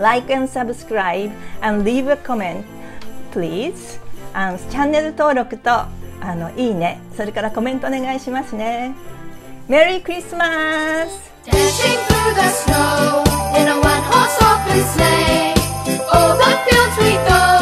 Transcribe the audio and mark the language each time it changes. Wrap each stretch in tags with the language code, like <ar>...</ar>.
<en>Like and subscribe and leave a comment, please.</en> <ja>チャンネル登録と、いいね、それからコメントお願いしますね。メリークリスマス。</ja> <en>Dancing through the snow in a one-horse open sleigh. Oh, the fields we go.</en>